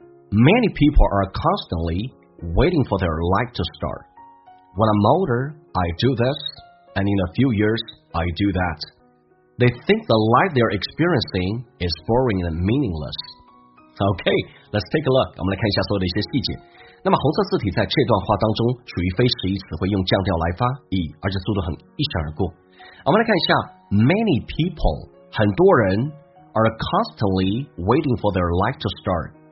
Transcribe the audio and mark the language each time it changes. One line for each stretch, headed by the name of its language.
English: Many people are constantly waiting for their light to start. When I'm older, I do this, and in a few years, I do that. They think the life they're experiencing is boring and meaningless. OK, let's take a look.
Chinese: 我们来看一下所有的一些细节。那么红色字体在这段话当中属于非实义词汇，用降调来发以，而且速度很一闪而过。我们来看一下
English: many people,
Chinese: 很多人
English: are constantly waiting for their light to start.